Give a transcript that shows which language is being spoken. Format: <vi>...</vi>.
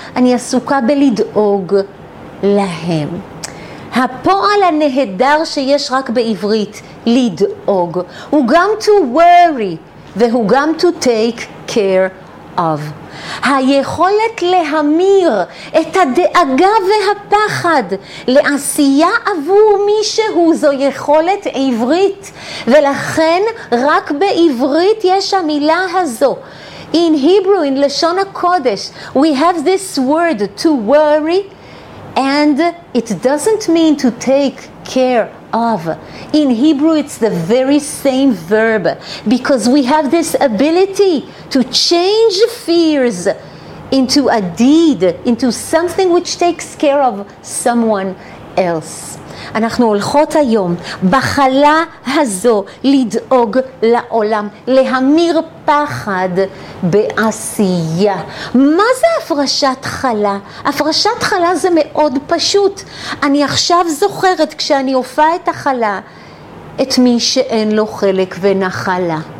<he>אני עסוקה בלדאוג להם. הפועל הנהדר שיש רק בעברית, לדאוג, הוא גם</he> <en>to worry,</en> <he>והוא גם</he> <en>to take care of.</en> <he>היכולת להמיר את הדאגה והפחד לעשייה עבור מישהו, זו יכולת עברית, ולכן רק בעברית יש המילה הזו.</he> <en>In Hebrew, in</en> <he>לשון הקודש,</he> <en>we have this word to worry, and it doesn't mean to take care of. In Hebrew, it's the very same verb, because we have this ability to change fears into a deed, into something which takes care of someone else.</en> <he>אנחנו הולכות היום בחלה הזו לדאוג לעולם, להמיר פחד בעשייה. מה זה הפרשת חלה? הפרשת חלה זה מאוד פשוט. אני עכשיו זוכרת, כשאני הופעה את החלה, את מי שאין לו חלק ונחלה.</he>